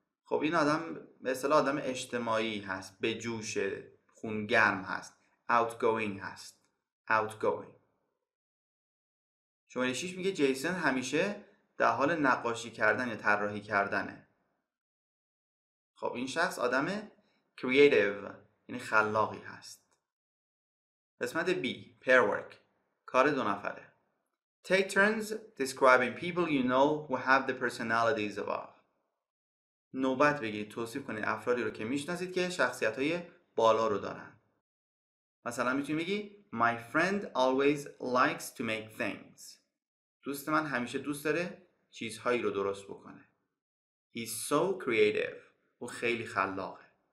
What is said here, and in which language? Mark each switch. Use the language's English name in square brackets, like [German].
[Persian] خب این آدم به اصطلاح آدم اجتماعی هست، به جوش، خونگرم هست، outgoing هست، outgoing. شماره 6 میگه جیسون همیشه در حال نقاشی کردن یا طراحی کردنه. خب این شخص آدم creative یعنی خلاقی هست. قسمت B. [English] Pair work. [Persian] کار دو نفره. [English] Take turns describing people you know who have the personalities above. [Persian] نوبت بگیرید توصیف کنید افرادی رو که میشناسید که شخصیت‌های بالا رو دارن. مثلا میتونی بگی [English] My friend always likes to make things. [Persian] دوست من همیشه دوست داره چیزهایی رو درست بکنه. [English] He's so creative. [Persian] او خیلی خلاقه.